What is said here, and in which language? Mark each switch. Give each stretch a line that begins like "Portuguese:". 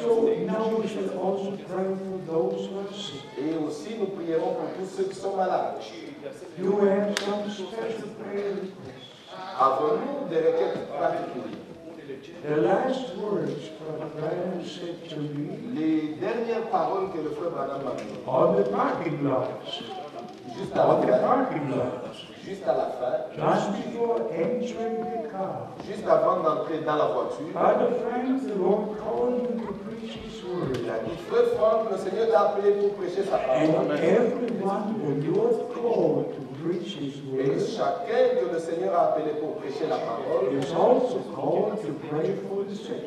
English: So now we should also pray for those who are sick.
French: Et aussi nous prierons pour tous ceux qui sont malades.
English: You have some special prayer requests.
French: Avons-nous des requêtes particulières?
English: The last words Brother Branham said to me.
French: Les dernières paroles que le frère Branham m'a dit.
English: On the parking lot.
French: Juste à la
English: on the parking lot.
French: Juste à la fin.
English: Just before entering the car.
French: Juste avant d'entrer dans la voiture.
English: Brother Frank, the Lord called you to preach His word.
French: Il a dit, frère Frank, le Seigneur t'a appelé pour prêcher sa parole.
English: And everyone, when you are called to preach His word,
French: et chacun que le Seigneur a appelé pour prêcher la parole,
English: is also called to pray for the sick.